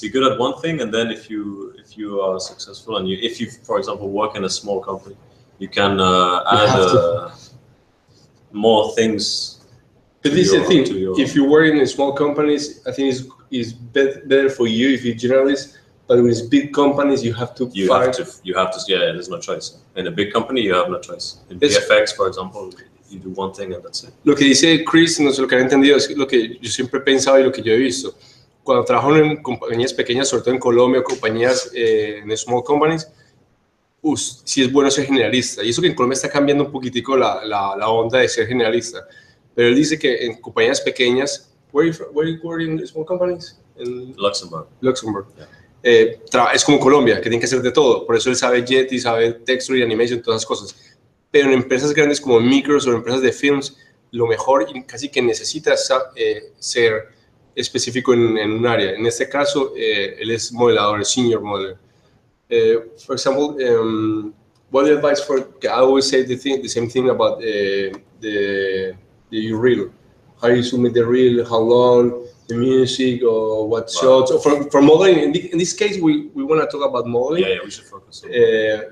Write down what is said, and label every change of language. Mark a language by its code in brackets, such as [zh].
[en] Be good at one thing, and then if you are successful, and if you, for example, work in a small company, you can add more things. But this is the thing, if you work in small companies, I think it's better for you if you're a generalist, but with big companies, you have to, there's no choice. In a big company, you have no choice. VFX, for example, you do one thing and that's it. [es] Lo que dice Chris, no sé lo que ha entendido, es lo que yo siempre he pensado y lo que yo he visto. cuando trabajo en compañías pequeñas, sobre todo en Colombia, compañías en [en] small companies, [es] sí es bueno ser generalista. Y eso que en Colombia está cambiando un poquitico la onda de ser generalista. Pero él dice que en compañías pequeñas, [en] where are you in small companies? [es] En [en] Luxembourg. Luxembourg. Yeah. [es] Es como Colombia, que tiene que hacer de todo. Por eso él sabe JIT y sabe texture y animation, todas esas cosas. Pero en empresas grandes como Mikros o empresas de films, lo mejor casi que necesitas ser específico en un área. En este caso, él es modelador, senior modeler. [en] For example, what advice for? I always say the same thing about the reel. How you submit the reel? How long? The music or what shots? Wow. For modeling, in this case, we want to talk about modeling. Yeah, we should focus on modeling.